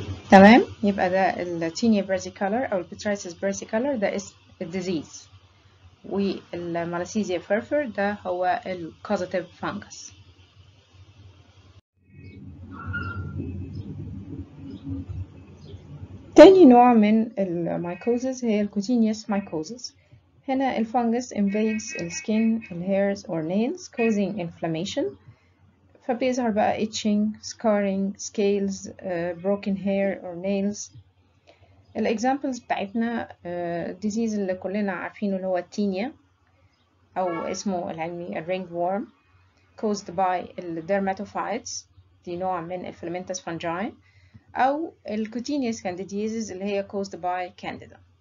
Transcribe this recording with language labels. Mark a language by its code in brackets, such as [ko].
[ar] تمام، يبقى ده التينيا فيرسيكولر او البيترايسيس فيرسيكولر ده اسم الديزيز، والماليسيزيا فيرفر ده هو الكوزاتيف فانجس. تاني نوع من المايكوزيس هي الكوتينيوس مايكوزيس. هنا الفانجس [en] invades the skin, the hairs or nails causing inflammation، [ar] فبيظهر بقى [en] itching, scarring, scales, broken hair or nails. [ar] الاكزامبلز بتاعتنا الديزيز اللي كلنا عارفينه اللي هو التينيا او اسمه العلمي الرينج وورم [en] caused by [ar] الدرماتوفايتس، دي نوع من الفيلمنتس فانجاي، أو الكوتينيوس كانديديزيز اللي هي caused by candida.